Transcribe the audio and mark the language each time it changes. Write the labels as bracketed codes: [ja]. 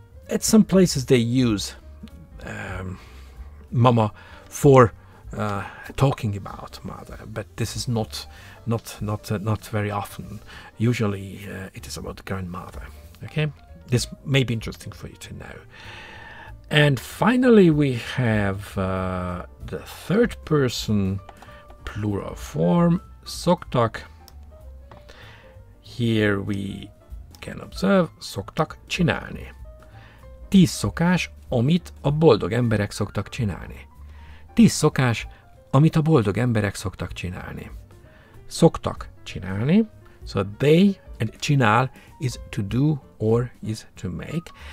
[en] At some places they use mama for talking about mother, but this is not very often. Usually it is about grandmother, okay? This may be interesting for you to know. And finally, we have the third person plural form, szoktak. Here we can observe [hu] szoktak csinálni. Ti szokás, amit a boldog emberek szoktak csinálni. Ti szokás, amit a boldog emberek szoktak csinálni. Szoktak csinálni. [en] So they, and csinál is to do or is to make.